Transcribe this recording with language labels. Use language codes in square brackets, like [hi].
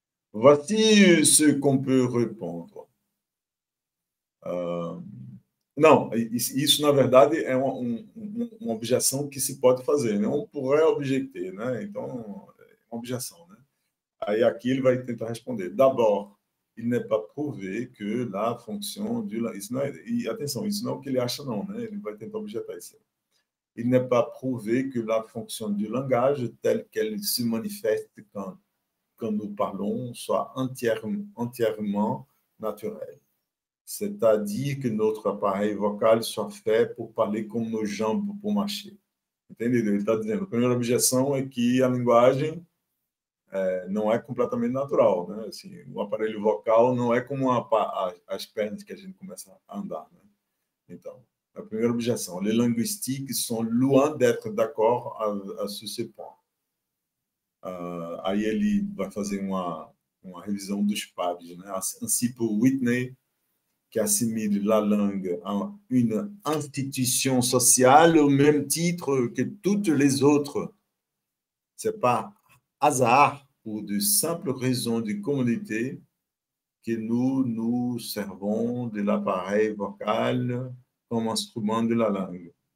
[fr] Voici ce qu'on peut répondre. [pt] Não, isso na verdade é uma objeção que se pode fazer, né? [fr] On pourrait objecter, [pt] né? Então, é uma objeção, né? Aí aqui ele vai tentar responder. [fr] D'abord, il n'est pas prouvé que la fonction du langage. [pt] E atenção, isso não é o que ele acha, não, né? Ele vai tentar objetar isso. [fr] Il n'est pas prouvé que la fonction du langage, telle qu'elle se manifeste quand nous parlons, soit entièrement naturelle. C'est-à-dire que notre appareil vocal soit fait pour parler comme nos jambes pour marcher. [pt] Entendido? Ele está dizendo, a primeira objeção é que a linguagem não é completamente natural, né? Assim, o aparelho vocal não é como as pernas que a gente começa a andar, né? Então, a primeira objeção, [fr] les linguistiques sont loin d'être d'accord à ce point. [pt] Aí ele vai fazer uma revisão dos pares, né? [fr] Ainsi pour Whitney, qui assimile la langue à une institution sociale au même titre que toutes les autres. Ce n'est pas hasard ou de simples raisons de communauté que nous servons de l'appareil vocal comme instrument de la langue.